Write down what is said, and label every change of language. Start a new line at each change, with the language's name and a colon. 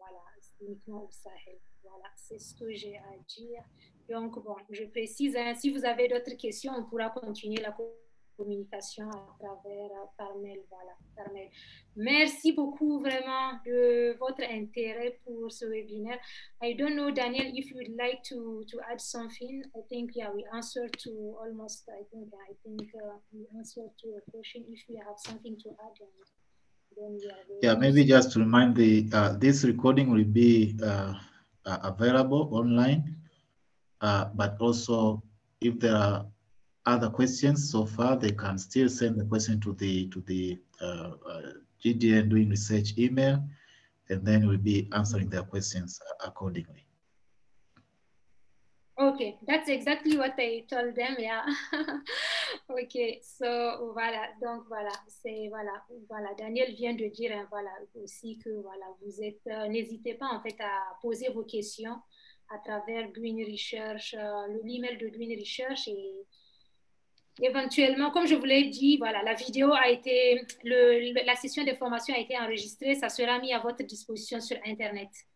French: Voilà, uniquement au Sahel. Voilà, c'est ce que j'ai à dire. Donc, bon, je précise, hein, si vous avez d'autres questions, on pourra continuer la communication à travers par mail, voilà, par mail. Merci beaucoup vraiment de votre intérêt pour ce webinaire.
English: I don't know, Daniel, if you'd like to add something. I think, yeah, we answered to almost, I think we answered to your question. If you have something to add, then we are ready. Yeah, maybe just to remind the this recording will be available online, but also if there are other questions so far, they can still send the question to the GDN doing research email, and then we'll be answering their questions accordingly. Okay, that's exactly what I told them, yeah. Okay, so
French: voilà, donc voilà, c'est voilà. Daniel vient de dire, hein, voilà, aussi que voilà, vous êtes, n'hésitez pas en fait à poser vos questions à travers Green Research, l'email de Green Research et éventuellement, comme je vous l'ai dit, voilà, la vidéo a été, la session de formation a été enregistrée, ça sera mis à votre disposition sur Internet.